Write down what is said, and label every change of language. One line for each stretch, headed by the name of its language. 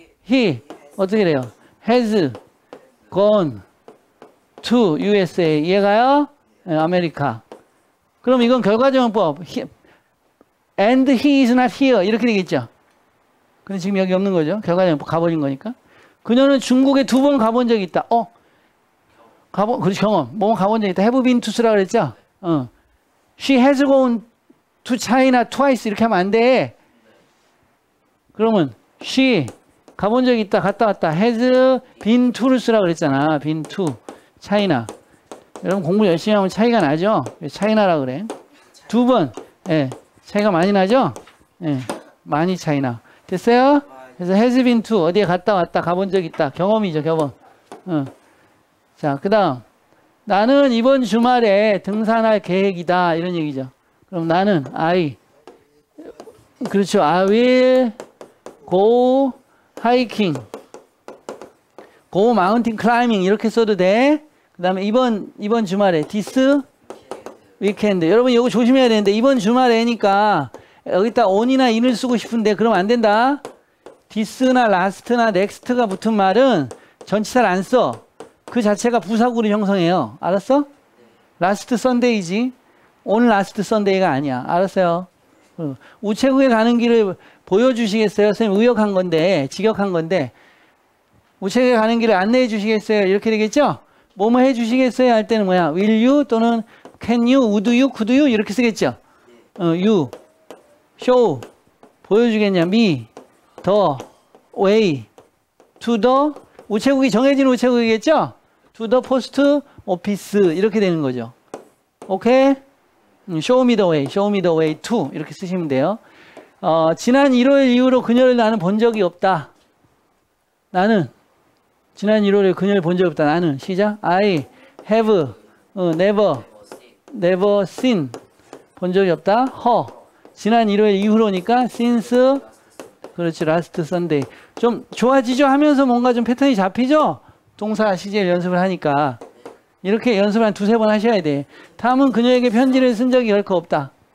English: He
Korean: 어떻게 돼요?
English: Has gone to USA.
Korean: 이해가요?
English: 아메리카.
Korean: 그럼 이건 결과적용법.
English: And he is not here.
Korean: 이렇게 되겠죠? 근데 지금 여기 없는 거죠? 결과적용법. 가버린 거니까. 그녀는 중국에 두 번 가본 적이 있다. 그렇지, 경험. 뭐 가본 적 있다.
English: Have been to
Korean: 쓰라 그랬죠?
English: She has gone to China twice.
Korean: 이렇게 하면 안 돼. 그러면, she, 가본 적 있다. 갔다 왔다.
English: Has been to를
Korean: 쓰라 그랬잖아.
English: Been to. China.
Korean: 여러분 공부 열심히 하면 차이가 나죠? China라 그래. 두 번. 예. 네. 차이가 많이 나죠? 예. 네. 많이 차이나. 됐어요?
English: 그래서 has been to.
Korean: 어디에 갔다 왔다. 가본 적 있다. 경험이죠, 경험. 자, 그 다음. 나는 이번 주말에 등산할 계획이다. 이런 얘기죠. 그럼 나는, I. 그렇죠.
English: I will go hiking. Go mountain climbing.
Korean: 이렇게 써도 돼. 그 다음에 이번 주말에
English: this weekend.
Korean: 여러분, 이거 조심해야 되는데, 이번 주말에니까 여기다 on이나 in을 쓰고 싶은데, 그럼 안 된다. this나 last나 next가 붙은 말은 전치사를 안 써. 그 자체가 부사구를 형성해요. 알았어? 네.
English: Last Sunday이지. On Last Sunday가
Korean: 아니야. 알았어요? 우체국에 가는 길을 보여주시겠어요? 선생님, 의역한 건데, 직역한 건데, 우체국에 가는 길을 안내해 주시겠어요? 이렇게 되겠죠? 뭐뭐 해 주시겠어요? 할 때는 뭐야?
English: Will you? 또는 Can you? Would you? Could you?
Korean: 이렇게 쓰겠죠? 네.
English: You. Show.
Korean: 보여주겠냐?
English: Me. The. Way. To the.
Korean: 우체국이 정해진 우체국이겠죠?
English: To the post office
Korean: 이렇게 되는 거죠.
English: 오케이? Show me the way. Show me the way to
Korean: 이렇게 쓰시면 돼요. 지난 1월 이후로 그녀를 나는 본 적이 없다. 나는 지난 1월에 그녀를 본 적이 없다. 나는 시작.
English: I have never seen
Korean: 본 적이 없다. Her 지난 1월 이후로니까 since 그렇지
English: last Sunday.
Korean: 좀 좋아지죠? 하면서 뭔가 좀 패턴이 잡히죠? 동사 시제를 연습을 하니까. 이렇게 연습을 한 두세 번 하셔야 돼. 다음은 그녀에게 편지를 쓴 적이 결코 없다.